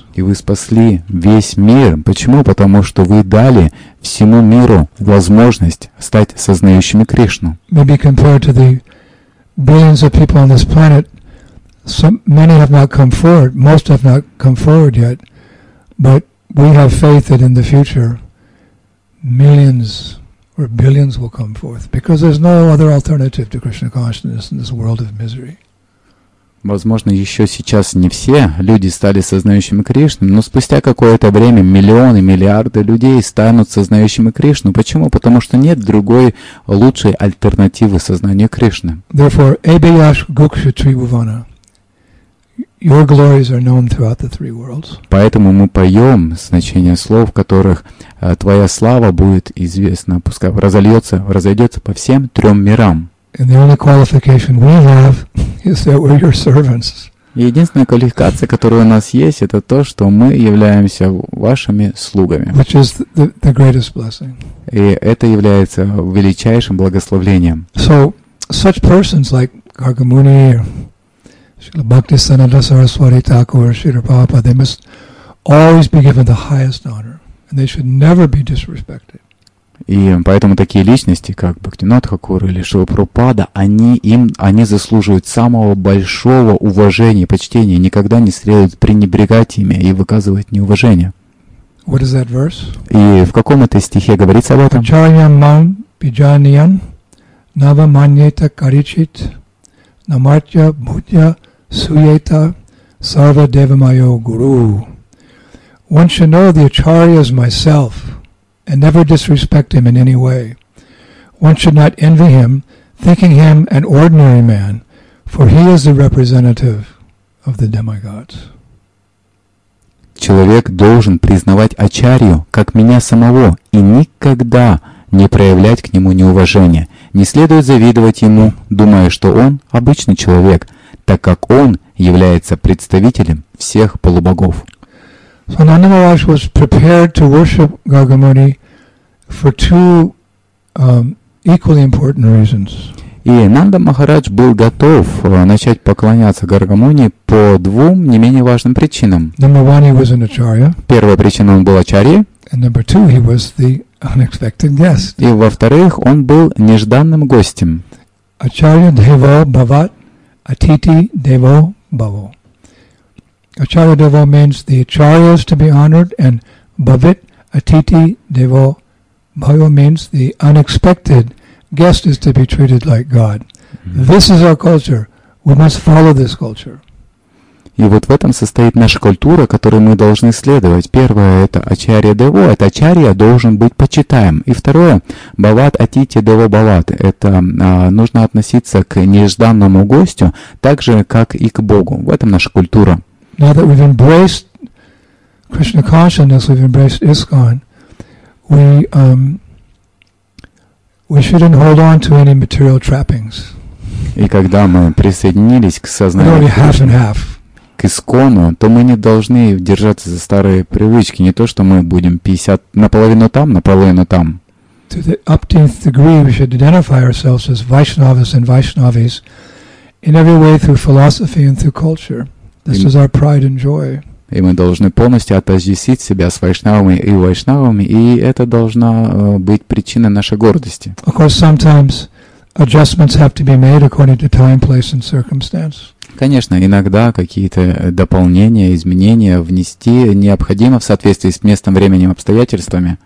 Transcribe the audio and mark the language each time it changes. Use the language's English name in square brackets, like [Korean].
[Russian] И вы спасли весь мир. Почему? Потому что вы дали всему миру возможность стать сознающими Кришну. [English] Maybe compared to the billions of people on this planet, many have not come forward, most have not come forward yet, but we have faith that in the future millions or billions will come forth, because there's no other alternative to Krishna consciousness in this world of misery. [Russian] Возможно, еще сейчас не все люди стали сознающими Кришну, но спустя какое-то время миллионы, миллиарды людей станут сознающими Кришну. Почему? Потому что нет другой, лучшей альтернативы сознанию Кришны. [English] Therefore, Abhyash Guksha Trivuvana, your glories are known throughout the three worlds. [Russian] Поэтому мы поем значение слов, в которых твоя слава будет известна, пускай разольется, разойдется по всем трем мирам. [English] And the only qualification we have is that we're your servants. [Russian] Единственная квалификация, которая у нас есть, это то, что мы являемся вашими слугами. [English] Which is the greatest blessing. [Russian] И это является величайшим благословением. [English] So such persons like Gargamuni, Srila Bhaktisananda Saraswati Thakur, Srila Prabhupada, they must always be given the highest honor, and they should never be disrespected. [Russian] И поэтому такие личности, как Бхактинат Тхакур или Шрила Прабхупада, они заслуживают самого большого уважения, почтения, никогда не следует пренебрегать ими и выказывать неуважение. [English] What is that verse? [Russian] И в каком это стихе говорится об этом? [Sanskrit] Ачарьям мам биджаниян навамьета каричит намартья бхутья суета сарва девамайо гуру. [English] One should know the Acharya is myself, and never disrespect him in any way. One should not envy him, thinking him an ordinary man, for he is the representative of the demigods. [Russian] Человек должен признавать Ачарью как меня самого и никогда не проявлять к нему неуважения. Не следует завидовать ему, думая, что он обычный человек, так как он является представителем всех полубогов. [English] So Ananda Maharaj was prepared to worship Gargamuni for two equally important reasons. [Russian] И Нанда Махарадж был готов начать поклоняться Гаргамуни по двум не менее важным причинам. [English] Number one, he was an acharya. [Russian] Первая причина, он был ачарьей. [English] And number two, he was the unexpected guest. [Russian] И во-вторых, он был нежданным гостем. [Sanskrit] Acharya devo bhavat atiti devo bhavo. [English] Acharya devo means the acharya is to be honored, and bhavit atiti devo Bhayo means the unexpected guest is to be treated like God. This is our culture. We must follow this culture. [Russian] И вот в этом состоит наша культура, которую мы должны следовать. Первое – это Ачарья Дево. Это Ачарья должен быть почитаем. И второе – Бават Атити Дево Бават. Это нужно относиться к нежданному гостю так же, как и к Богу. В этом наша культура. [English] Now that we've embraced Krishna consciousness, we've embraced ISKCON, We shouldn't hold on to any material trappings. [Russian] И когда мы присоединились к сознанию, к ИСККОНу, то мы не должны держаться за старые привычки, не то, что мы будем 50 наполовину там, наполовину там. [English] To the upteenth degree, we should identify ourselves as Vaishnavas and Vaishnavis in every way through philosophy and through culture. This is our pride and joy. [Russian] И мы должны полностью отождествить себя с вайшнавами и вайшнавами, и это должна быть причина нашей гордости. [English] Of course, sometimes adjustments have to be made according to time, place, and circumstance. [Russian] Конечно, иногда какие-то дополнения, изменения внести необходимо в соответствии с местом, временем, обстоятельствами.